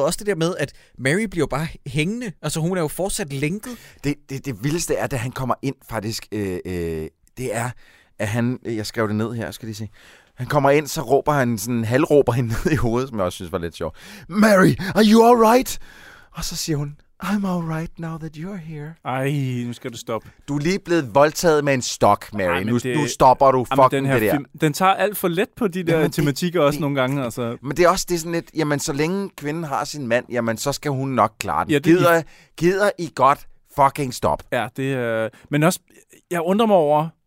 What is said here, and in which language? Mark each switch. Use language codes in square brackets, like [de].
[da] Også det der med, at Mary bliver bare hængende. Altså, hun er jo fortsat lænket. Det vildeste er, da han kommer ind faktisk, det er, at han, jeg skrev det ned her, skal lige se. Han kommer ind, så råber han sådan, halvråber hende ned i hovedet, som jeg også synes var lidt sjovt. [en] Mary, are you alright? [da] Og så siger hun, [en] I'm alright now that you're here. [da] Ej, nu skal du stoppe. Du er lige blevet voldtaget med en stok, Mary. Ej, nu stopper du fucking den her det der. Den tager alt for let på de der tematikker også nogle gange. Altså. Men det er også det er sådan lidt, jamen så længe kvinden har sin mand, jamen så skal hun nok klare den. Ja, gider I godt fucking stop? Ja, det er... Men også, jeg undrer mig over...